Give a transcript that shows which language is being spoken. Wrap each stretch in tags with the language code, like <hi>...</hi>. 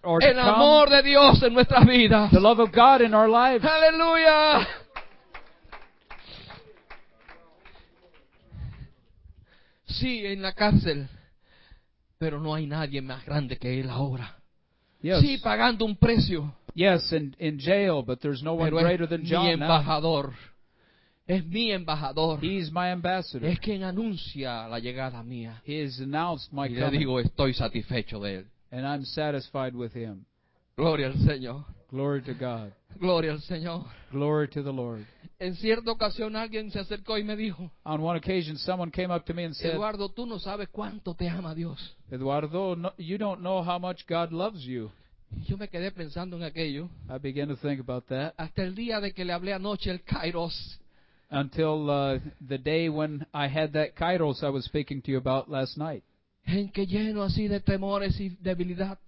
<es>El amor de Dios en nuestras vidas.</es> <en>The love of God in our lives.</en> <es>Aleluya. Sí, en la cárcel. Pero no hay nadie más grande que Él ahora.</es> <en>Yes.</en> <es>Sí, pagando un precio.</es> <en>Yes, in jail, but there's no one greater than John.</en> <es>Mi embajador. Es mi embajador.</es> <en>He's my ambassador.</en> <es>Es quien anuncia la llegada mía.</es> <en>He has announced my coming.</en> <es>Y le digo, estoy satisfecho de Él.</es> <en>And I'm satisfied with him.</en> <es>Gloria al Señor.</es> <en>Glory to God.</en> <es>Gloria al Señor.</es> <en>Glory to the Lord.</en> <es>En cierta ocasión alguien se acercó y me dijo.</es> <en>On one occasion someone came up to me and said,</en> <es>Eduardo, tú no sabes cuánto te ama Dios.</es> <en>Eduardo, no, you don't know how much God loves you.</en> <es>Yo me quedé pensando en aquello.</es> <en>I began to think about that.</en> <es>Hasta el día de que le hablé anoche el Kairos.</es> <en>Until the day when I had that Kairos I was speaking to you about last night.</en> <es>En que lleno así de temores y debilidad.</es>